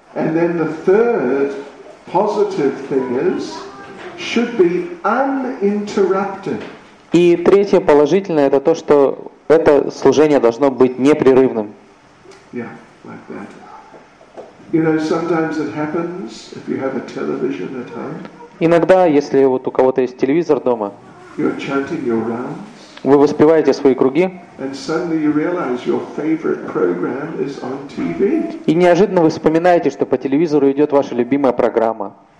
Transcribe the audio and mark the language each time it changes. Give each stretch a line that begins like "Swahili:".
English: And then the third positive thing is, should be uninterrupted.
Russian: И третье положительное — это то, что это служение должно быть непрерывным.
English: Yeah, like that. You know, sometimes it happens if you have a television at home.
Russian: Иногда, если вот у кого-то есть телевизор дома,
English: you're chanting your rounds.
Russian: Вы воспеваете свои круги. И неожиданно вы вспоминаете, что по телевизору идет ваша любимая программа.